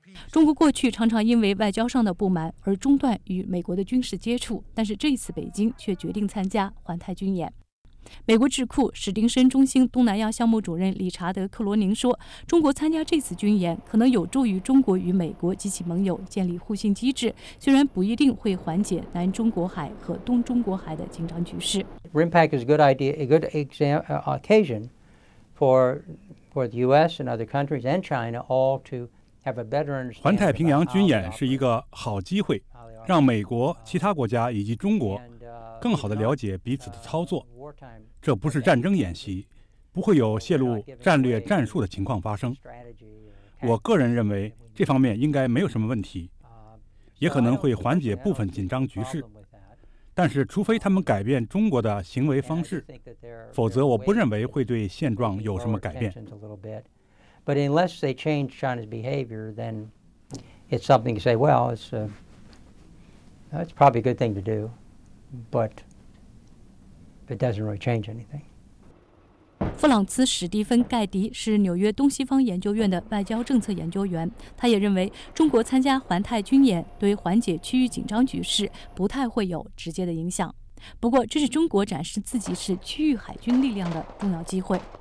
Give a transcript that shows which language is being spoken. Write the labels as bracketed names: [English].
[Chinese] 中国过去常常因为外交上的不满而中断与美国的军事接触，但是这一次北京却决定参加环太军演。美国智库史丁森中心东南亚项目主任理查德·克罗宁说，中国参加这次军演可能有助于中国与美国及其盟友建立互信机制，虽然不一定会缓解南中国海和东中国海的紧张局势。 [English] RIMPAC is a good idea, a good occasion for the US and other countries and China all to have a better understanding. [Chinese] 环太平洋军演是一个好机会，让美国、其他国家以及中国更好地了解彼此的操作。这不是战争演习，不会有泄露战略战术的情况发生。我个人认为这方面应该没有什么问题，也可能会缓解部分紧张局势。但是除非他们改变中国的行为方式，否则我不认为会对现状有什么改变。 [English] But unless they change China's behavior, then it's something to say, well, it's probably a good thing to do, but it doesn't really change anything. [Chinese] 弗朗茨·史蒂芬·盖迪是纽约东西方研究院的外交政策研究员，他也认为中国参加环太军演对缓解区域紧张局势不太会有直接的影响。不过，这是中国展示自己是区域海军力量的重要机会。